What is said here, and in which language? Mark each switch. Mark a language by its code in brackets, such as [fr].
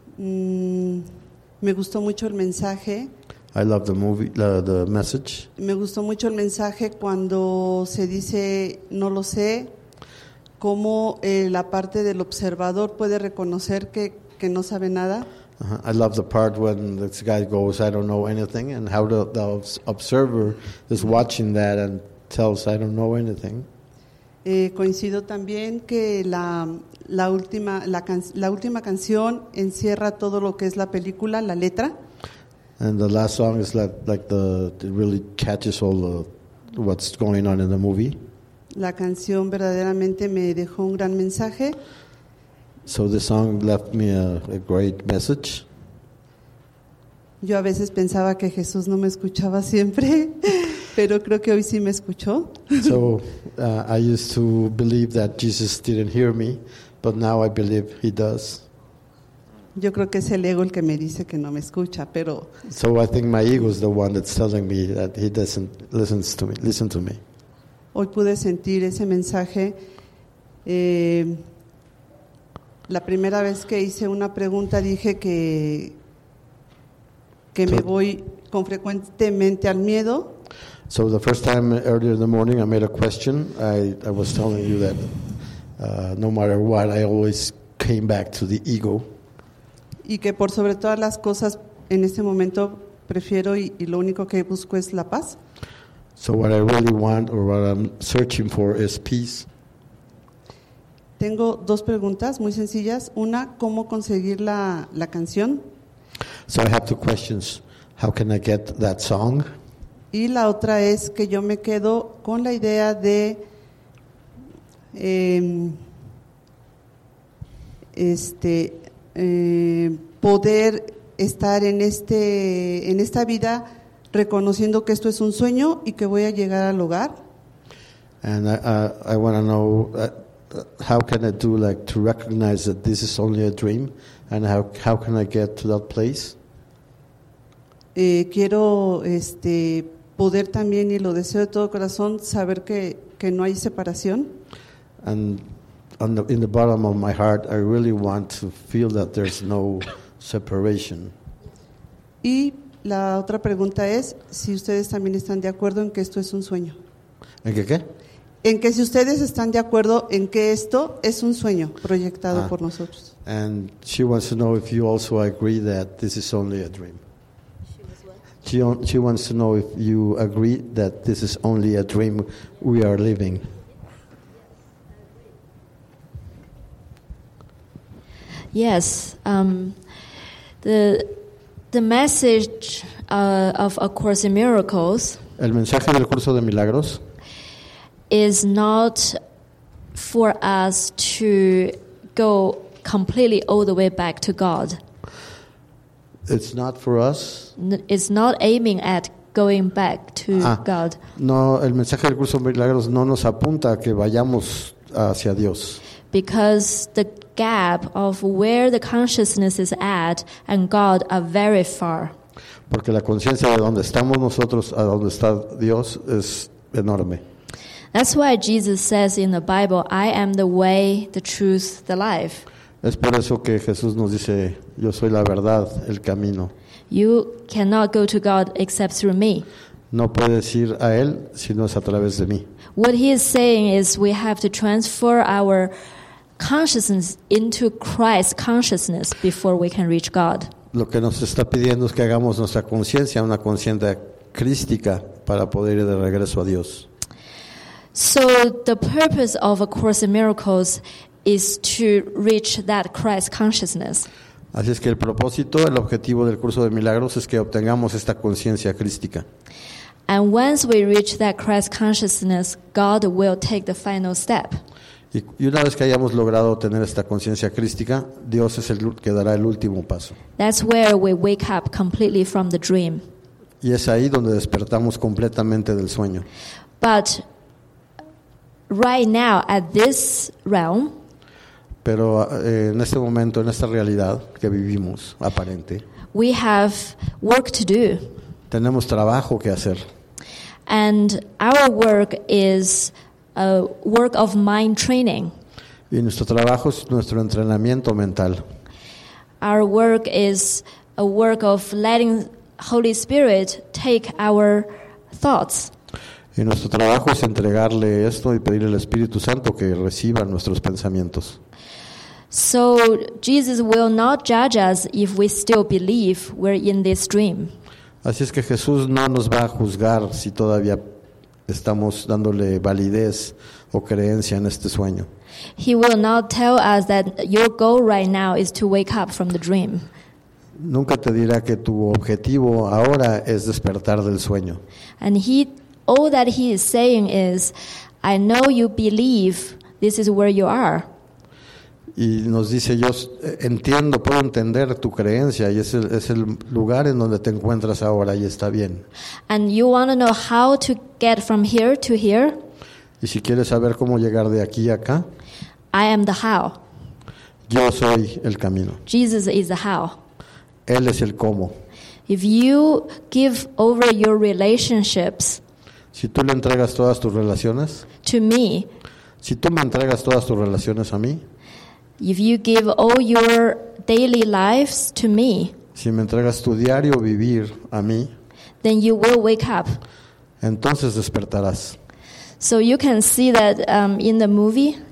[es] Me gustó mucho el mensaje. [en] I love the movie, the message. [es] Me gustó mucho el mensaje cuando se dice, no lo sé, cómo la parte del observador puede reconocer que no sabe nada. [en] I love the part when this guy goes, I don't know anything, and how the observer is watching that and tells, I don't know anything. [es] Coincido también que la última canción encierra todo lo que es la película, la letra. [en] And the last song is it really catches all the what's going on in the movie. [es] La canción verdaderamente me dejó un gran mensaje. [en] So the song left me a great message. [es] Yo a veces pensaba que Jesús no me escuchaba siempre. Pero creo que hoy sí me escuchó. [en] So I used to believe that Jesus didn't hear me, but now I believe he does. [es] Yo creo que es el ego el que me dice que no me escucha, pero. [en] So I think my ego is the one that's telling me that he doesn't listen to me. [es] Hoy pude sentir ese mensaje. La primera vez que hice una pregunta dije que me voy con frecuentemente al miedo. [en] So the first time earlier in the morning I made a question, I was telling you that no matter what, I always came back to the ego. [es] Y que por sobre todas las cosas en este momento prefiero y lo único que busco es la paz. [en] So what I really want or what I'm searching for is peace. [es] Tengo dos preguntas muy sencillas. Una, ¿cómo conseguir la canción? [en] So I have two questions. How can I get that song? [es] Y la otra es que yo me quedo con la idea de poder estar en esta vida reconociendo que esto es un sueño y que voy a llegar al hogar. [en] And I want to know how can I do to recognize that this is only a dream and how can I get to that place? [es] Quiero poder también, y lo deseo de todo corazón, saber que no hay separación. [en] And in the bottom of my heart, I really want to feel that there's no separation. [es] Y la otra pregunta es si ustedes también están de acuerdo en que esto es un sueño. ¿En qué? En que si ustedes están de acuerdo en que esto es un sueño proyectado por nosotros. [en] And she wants to know if you also agree that this is only a dream. She wants to know if you agree that this is only a dream we are living. Yes. The message of A Course in Miracles. [es] El mensaje del curso de milagros. [en] Is not for us to go completely all the way back to God. It's not for us. It's not aiming at going back to God. [es] No, el mensaje del curso de milagros no nos apunta a que vayamos hacia Dios. [en] Because the gap of where the consciousness is at and God are very far. [es] Porque la conciencia de donde estamos nosotros a donde está Dios es enorme. [en] That's why Jesus says in the Bible, I am the way, the truth, the life. [es] Es por eso que Jesús nos dice, yo soy la verdad, el camino. [en] You cannot go to God except through me. [es] No puedes ir a Él si no es a través de mí. [en] What he is saying is we have to transfer our consciousness into Christ consciousness before we can reach God. [es] lo que nos está pidiendo es que hagamos nuestra conciencia una conciencia crística para poder ir de regreso a Dios. [en] So the purpose of A Course in Miracles is to reach that Christ consciousness. [es] Así es que el propósito, el objetivo del curso de milagros es que obtengamos esta conciencia crística. [en] And once we reach that Christ consciousness, God will take the final step. [es] Y una vez que hayamos logrado tener esta conciencia crística, Dios es el que dará el último paso. [en] That's where we wake up completely from the dream. [es] Y es ahí donde despertamos completamente del sueño. [en] But right now, at this realm, [es] pero en este momento, en esta realidad que vivimos, aparente, [en] we have work to do. [es] Tenemos trabajo que hacer. [en] And our work is a work of mind training. [es] Y nuestro trabajo es nuestro entrenamiento mental. [en] Our work is a work of letting Holy Spirit take our thoughts. [es] Y nuestro trabajo es entregarle esto y pedirle al Espíritu Santo que reciba nuestros pensamientos. [en] So Jesus will not judge us if we still believe we're in this dream. [es] Así es que Jesús no nos va a juzgar si todavía estamos dándole validez o creencia en este sueño. [en] He will not tell us that your goal right now is to wake up from the dream. [es] Nunca te dirá que tu objetivo ahora es despertar del sueño. [en] And all that he is saying is, I know you believe this is where you are. [es] Y nos dice, yo entiendo, puedo entender tu creencia y es el lugar en donde te encuentras ahora y está bien. [en] And you want to know how to get from here to here? [es] Y si quieres saber cómo llegar de aquí a acá, [en] I am the how. [es] Yo soy el camino. [en] Jesus is the how. [es] Él es el cómo. [en] If you give over your relationships, [es] si tú le entregas todas tus relaciones, [en] to me, [es] si tú me entregas todas tus relaciones a mí, [en] if you give all your daily lives to me, [es] si me entregas tu diario vivir a mí, [en] then you will wake up. [es] Entonces despertarás. [en] So you can see that in the movie.